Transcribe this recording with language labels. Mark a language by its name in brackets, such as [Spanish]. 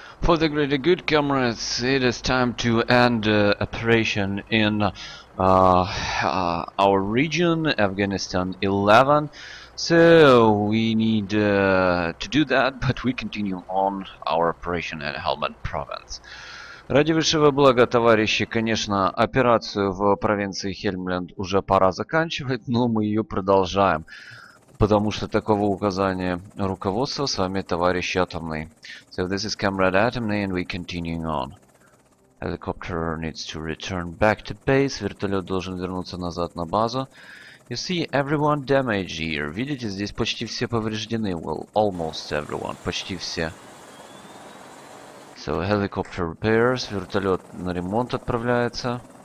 [English] For the greater good, comrades, it is time to end operation in our region, Afghanistan 11. So we need to do that, but we continue on our operation in Helmand province. [Russian] Ради высшего блага, товарищи, конечно, операцию в провинции Хельмленд уже пора заканчивать, но мы ее продолжаем. Потому что такого указания руководства с вами, товарищ Атомный. [English] So this is Comrade Atomny and we continuing on. Helicopter needs to return back to base. [Russian] Вертолет должен вернуться назад на базу. [English] You see, everyone damaged here. [Russian] Видите, здесь почти все повреждены. [English] Well, almost everyone. [Russian] Почти все. [English] So helicopter repairs. [Russian] Вертолет на ремонт отправляется.